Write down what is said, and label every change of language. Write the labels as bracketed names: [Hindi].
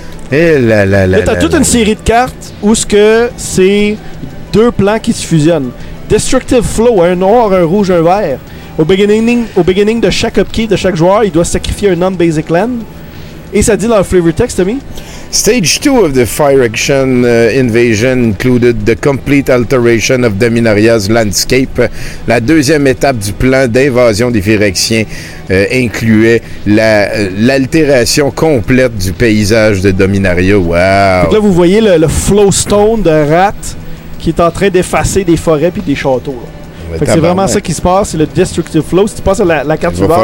[French] Et là, là, là, t'as toute une série de cartes où ce que c'est deux plans qui se fusionnent. Destructive Flow, un noir, un rouge, un vert. Au beginning de chaque upkeep de chaque joueur, il doit sacrifier un non-basic land. Et ça dit dans le flavor text, Tommy. [English] Stage 2 of the Fire Action Invasion included the complete alteration of Dominaria's landscape. [French] La deuxième étape du plan d'invasion des Phyrexiens incluait l'altération complète du paysage de Dominaria. Wow! Donc là, vous voyez le Flowstone de Rat qui est en train d'effacer des forêts puis des châteaux. Là. Fait que c'est vraiment ça qui se passe, c'est le Destructive Flow. Si tu passes à la carte du bord,